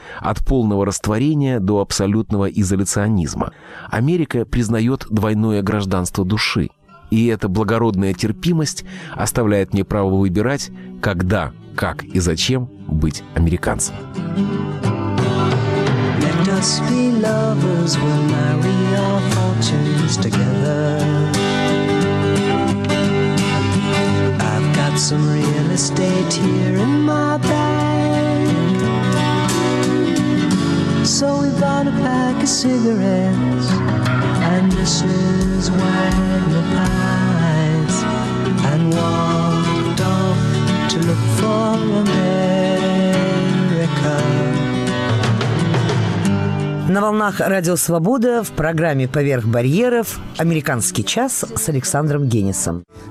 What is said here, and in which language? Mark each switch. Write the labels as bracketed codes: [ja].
[ru] От полного растворения до абсолютного изоляционизма. Америка признает двойное гражданство души. И эта благородная терпимость оставляет мне право выбирать, когда, как и зачем быть американцем. [en] Let us be lovers, we'll marry our fortunes together. Some real estate here in my bag. So we bought a pack of cigarettes and Mrs. Wagner pies and walked off to look for America. [ru] На волнах «Радио Свобода» в программе «Поверх барьеров» «Американский час» с Александром Генисом.